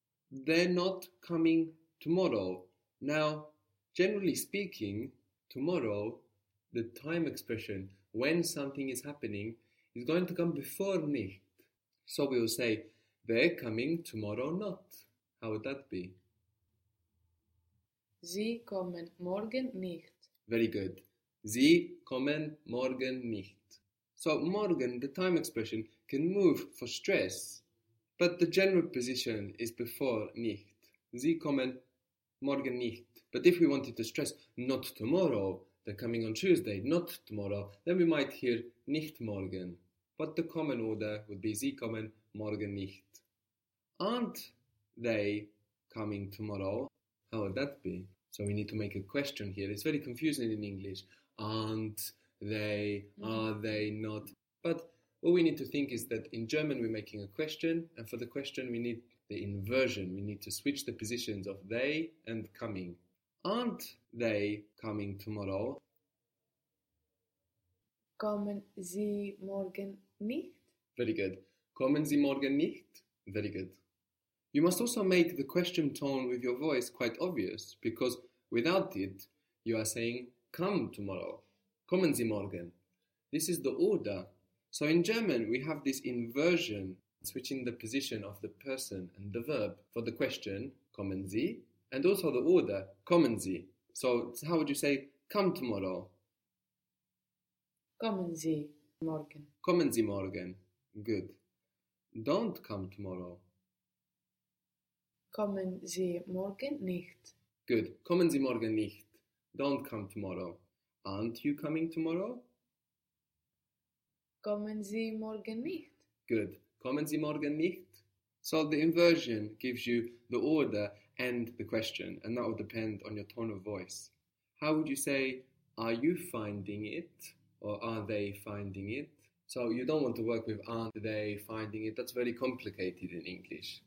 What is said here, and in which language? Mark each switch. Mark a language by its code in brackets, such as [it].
[en] They're not coming tomorrow. Now, generally speaking, tomorrow, the time expression when something is happening is going to come before nicht. So we will say, they're coming tomorrow not. How would that be? [de] Sie kommen morgen nicht. [en] Very good. [de] Sie kommen morgen nicht. [en] So morgen, the time expression, can move for stress, but the general position is before nicht. [de] Sie kommen morgen nicht. [en] But if we wanted to stress not tomorrow, they're coming on Tuesday, not tomorrow, then we might hear [de] nicht morgen. [en] But the common order would be [de] Sie kommen morgen nicht. [en] Aren't they coming tomorrow? How would that be? So we need to make a question here. It's very confusing in English. Aren't they? Are they not? But what we need to think is that in German we're making a question, and for the question we need the inversion. We need to switch the positions of they and coming. Aren't they coming tomorrow? [de] Kommen Sie morgen nicht? [en] Very good. [de] Kommen Sie morgen nicht? [en] Very good. You must also make the question tone with your voice quite obvious, because without it, you are saying, come tomorrow. [de] Kommen Sie morgen. [en] This is the order. So in German, we have this inversion, switching the position of the person and the verb for the question, [de] kommen Sie, [en] and also the order, kommen Sie. So how would you say, come tomorrow? [de] Kommen Sie morgen. Kommen Sie morgen. [en] Good. Don't come tomorrow. [de] Kommen Sie morgen nicht. [en] Good. [de] Kommen Sie morgen nicht. [en] Don't come tomorrow. Aren't you coming tomorrow? [de] Kommen Sie morgen nicht. [en] Good. [de] Kommen Sie morgen nicht? [en] So the inversion gives you the order and the question, and that will depend on your tone of voice. How would you say, are you finding it? Or are they finding it? So you don't want to work with aren't they finding it? That's very complicated in English.